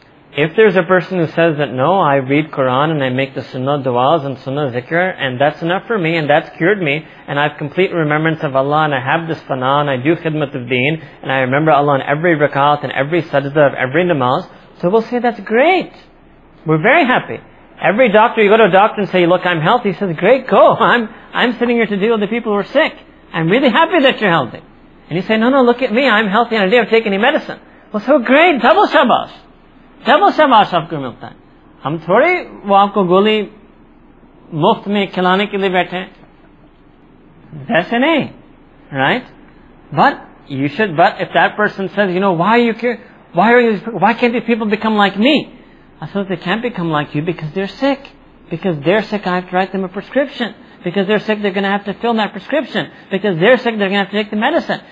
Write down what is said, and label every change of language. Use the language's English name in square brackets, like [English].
[English] If there's a person who says that, no, I read Quran and I make the sunnah du'as and sunnah zikr and that's enough for me and that's cured me and I have complete remembrance of Allah and I have this fana and I do khidmat of deen and I remember Allah in every rakat and every sajda of every namaz, so we'll say that's great. We're very happy. Every doctor, you go to a doctor and say, look, I'm healthy. He says, great, go. I'm sitting here to deal with the people who are sick. I'm really happy that you're healthy. And you say, no, look at me. I'm healthy and I didn't take any medicine. Well, so great. [Urdu] Double شاباش۔ Double شاباش آپ کو ملتا ہے۔ ہم تھوڑی وہ آپ کو گولی مفت میں کھلانے کے لیے بیٹھے ہیں۔ [English] That's an A. Right? But if that person says, you know, why can't these people become like me? I said, they can't become like you because they're sick. Because they're sick, I have to write them a prescription. Because they're sick, they're going to have to fill that prescription. Because they're sick, they're going to have to take the medicine.